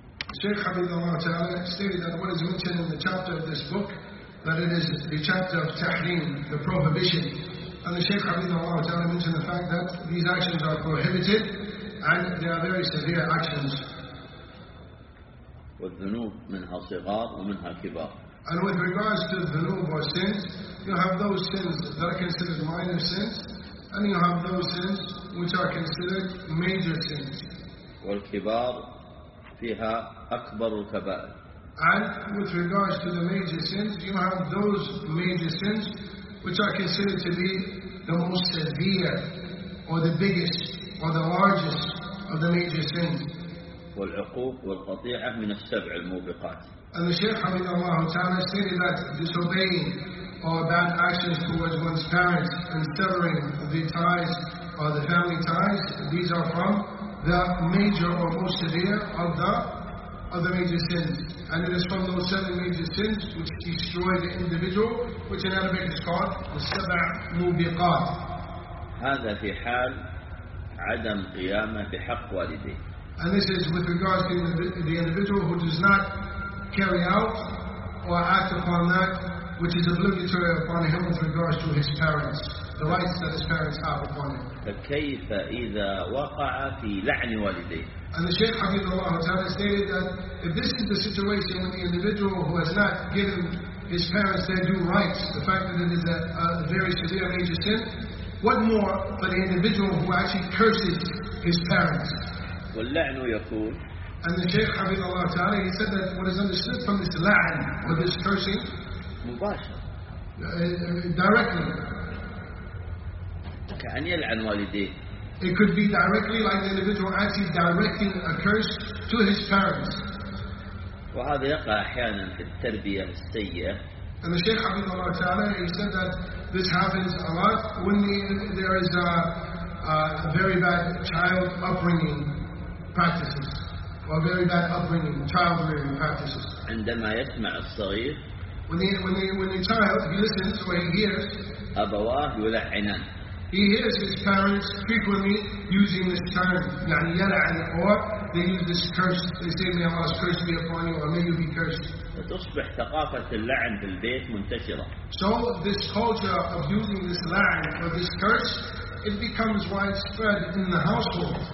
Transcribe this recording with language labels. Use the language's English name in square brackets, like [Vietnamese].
[English] الشيخ حفظه الله تعالى stated that what is mentioned in the chapter of this book, that it is the chapter of تحريم, the prohibition. And the Shaykh حفظه الله تعالى mentioned the fact that these actions are prohibited and they are very severe actions. [Arabic] والذنوب منها صغار ومنها كبار. [English] And with regards to dhunub or sins, you have those sins that are considered minor sins, and you have those sins which are considered major sins. [Arabic] والكبار فيها أكبر الكبائر. [English] And with regards to the major sins, you have those major sins which are considered to be the most severe, or the biggest, or the largest of the major sins. [Arabic] والعقوق والقطيعة من السبع الموبقات. [English] And the Shaykh حفظه الله تعالى stated that disobeying or bad actions towards one's parents and severing the ties or the family ties, these are from the major or most severe of the major sins. And it is from those seven major sins which destroy the individual, which in Arabic is called the سبع موبقات. [Arabic] هذا في حال عدم قيامة بحق والدي. [English] And this is with regards to the individual who does not carry out or act upon that which is obligatory upon him with regards to his parents, the rights that his parents have upon him. [Arabic] فكيف إذا وقع في لعن والدي. [English] And the Shaykh حفظه الله تعالى stated that if this is the situation with the individual who has not given his parents their due rights, the fact that it is a very severe major sin, what more for the individual who actually curses his parents? [Arabic] واللعن يقول. [English] And the Shaykh حفظه الله تعالى, he said that what is understood from this لعن or this cursing, [Arabic] مباشر. [English] Directly. [Arabic] كأن يلعن والديه. [English] It could be directly like the individual actually directing a curse to his parents. [Arabic] وهذا يقع أحيانا في التربية السيئة. [English] And the Shaykh حفظه الله تعالى, he said that this happens a lot when there is a very bad child upbringing practices. very bad upbringing, child rearing practices. [Arabic] عندما يسمع الصغير. [English] When the child, he listens to what he hears. [Arabic] أبواه يلعنان. [English] He hears his parents frequently using this term, يعني يلعن, or they use this curse. They say, may Allah's curse be upon you, or may you be cursed. [Arabic] فتصبح ثقافة اللعن في البيت منتشرة. [English] So this culture of using this لعن or this curse, it becomes widespread in the household.